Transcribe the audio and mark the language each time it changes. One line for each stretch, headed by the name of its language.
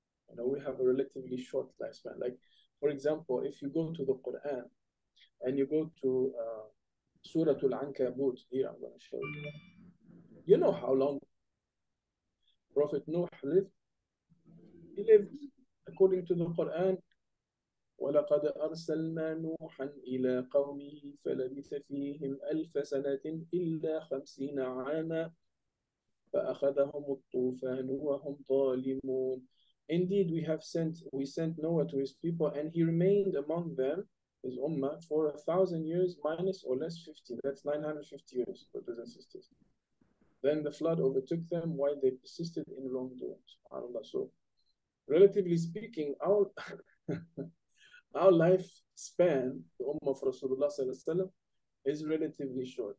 English: You know, we have a relatively short lifespan. Like for example, if you go to the Quran and you go to Surah Al-Ankabut, here I'm going to show you. You know how long Prophet Nuh lived? He lived, according to the Quran,
Arabic: وَلَقَدْ أَرْسَلْنَا نُوحًا إِلَى قَوْمِهِ فَلَبِثَ فِيهِمْ أَلْفَ سَنَةٍ إِلَّا خَمْسِينَ عَامًا فَأَخَذَهُمُ الطُّوفَانُ وَهُمْ ظَالِمُونَ.
English: Indeed, we sent Noah to his people, and he remained among them, his ummah, for 1,000 years, minus or less 50. That's 950 years, brothers and sisters. Then the flood overtook them while they persisted in wrongdoing. SubhanAllah. So, relatively speaking, our lifespan, the ummah of Rasulullah Sallallahu Alaihi Wasallam, is relatively short.